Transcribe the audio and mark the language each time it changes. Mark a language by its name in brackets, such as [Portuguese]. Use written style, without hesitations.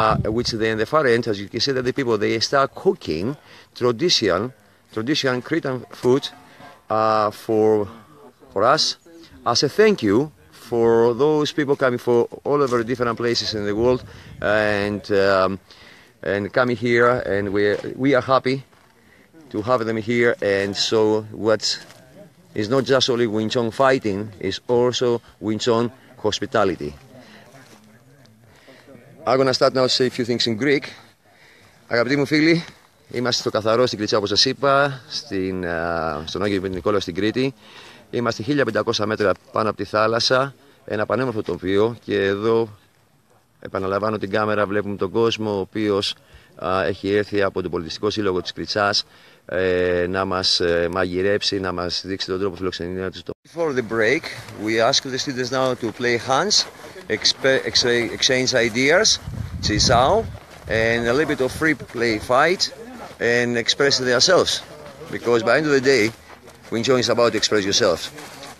[English] Which then in the far end, as you can see, that the people they start cooking traditional Cretan food for us as a thank you for those people coming from all over different places in the world and coming here, and we are happy to have them here. And so what is not just only Wing Chun fighting, it's also Wing Chun hospitality. I'm going to start now to say a few things in Greek. [Greek] Αγαπητοί μου φίλοι, είμαστε στο Καθαρό, στην Κριτσά, όπως σας είπα, στον Άγιο Νικόλαο, στην Κρήτη. Είμαστε 1500 μέτρα πάνω από τη θάλασσα, ένα πανέμορφο τοπίο, και εδώ, επαναλαμβάνω την κάμερα, βλέπουμε τον κόσμο, ο οποίος έχει έρθει από τον Πολιτιστικό Σύλλογο της Κριτσάς να μας μαγειρέψει, να μας δείξει τον τρόπο φιλοξενία του. [English] Before the break, we ask the students now to play hands, exchange ideas, chisao, and a little bit of free play fight, and express themselves. Because by the end of the day, Wing Chun is about to express yourself.